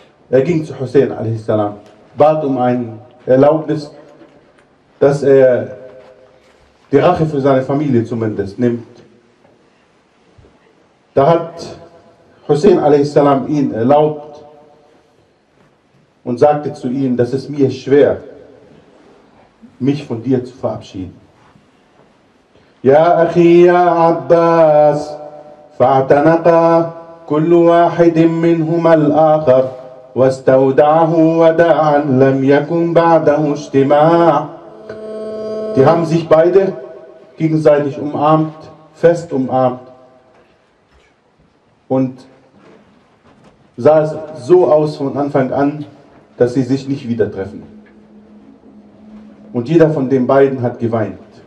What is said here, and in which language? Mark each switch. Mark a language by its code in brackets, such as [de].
[de] Er ging zu Hussein alayhi salam, bat um ein Erlaubnis, dass er die Rache für seine Familie zumindest nimmt. Da hat Hussein alayhi salam ihn erlaubt und sagte zu ihm, dass es mir schwer, mich von dir zu verabschieden. [ar] Ya Akhi ya Abbas fa'tanaqa كل واحد منهما الآخر واستودعه وداعا لم يكن بعده اجتماع. [de] Die haben sich beide gegenseitig umarmt, fest umarmt. Und sah es so aus von Anfang an, dass sie sich nicht wieder treffen. Und jeder von den beiden hat geweint.